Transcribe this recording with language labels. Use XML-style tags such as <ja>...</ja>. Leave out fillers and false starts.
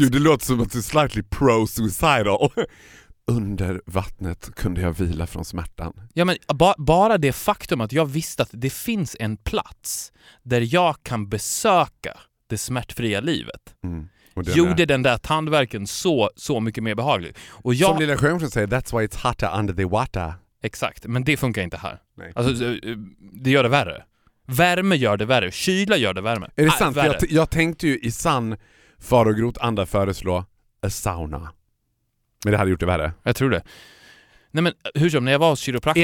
<sv>Gud, det låter som att du är</sv> <en>slightly pro-suicidal.</en> <sv>Under vattnet kunde jag vila från smärtan. Ja, men bara det faktum att jag visste att det finns en plats där jag kan besöka det smärtfria livet. Och gjorde den där tandverken så mycket mer behaglig. Och jag... Som Lilla Sjönsson säger,</sv> <en>that's why it's hotter under the water.</en> <sv>Exakt, men det funkar inte här. Nej. Alltså, det gör det värre. Värme gör det värre. Kyla gör det värme. Är det sant? Jag tänkte ju i sann far och grot anda föreslå</sv> <en>a sauna.</en> <sv>Men det hade gjort det värre. Jag tror det. Nej, men hur som, när jag var hos kiropraktorn...</sv>